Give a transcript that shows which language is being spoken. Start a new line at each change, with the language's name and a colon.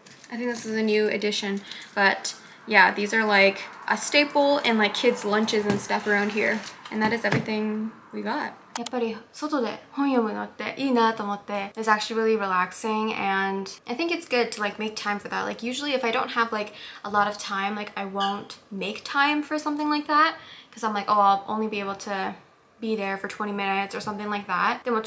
English: I think this is a new edition, but... Yeah, these are like a staple in like kids' lunches and stuff around here. And that is everything we got.
Japanese: やっぱり外で本読むのっていいなと思って。
English: It's actually really relaxing and I think it's good to like make time for that. Like usually if I don't have like a lot of time, like I won't make time for something like that. Because I'm like, oh, I'll only be able to be there for 20 minutes or something like that.